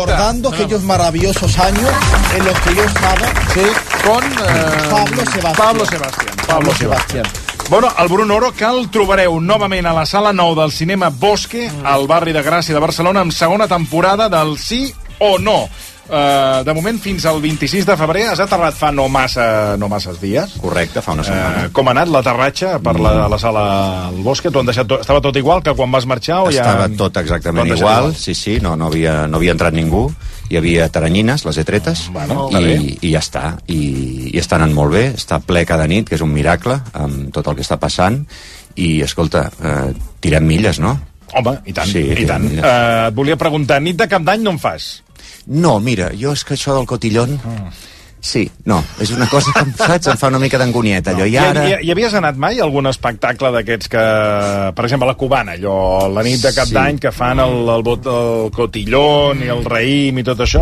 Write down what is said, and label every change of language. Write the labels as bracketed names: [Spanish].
[Spanish] Recordando aquellos maravillosos años en los que yo estaba... Sí, con... Pablo Sebastián. Pablo Sebastián. [Catalan] Bueno, el Bruno Oro, que el trobareu novament a la sala 9 del cinema Bosque, al barri de Gràcia de Barcelona, amb segona temporada del Sí o No. De moment, fins al 26 de febrer, has aterrat fa no masses dies. Correcte, fa una setmana. Com ha anat l'aterratge per la sala al Bosque? T'ho han deixat tot, estava tot igual que quan vas marxar? O estava tot exactament igual. Sí, no havia entrat ningú. Hi havia teranyines, les etretes, i ja està. I està anant molt bé, està ple cada nit, que és un miracle, amb tot el que està passant. I, escolta, tirem milles, no? Home, i tant, sí, i tant. Et volia preguntar, nit de Cap d'Any no en fas? No, mira, jo és que això del cotillon... Sí, no, és una cosa que em, saps, em fa una mica d'angonieta, allò. I ara... Hi havies anat mai a algun espectacle d'aquests que... Per exemple, la Cubana, allò, la nit de Cap d'Any, que fan el cotillon i el raïm i tot això?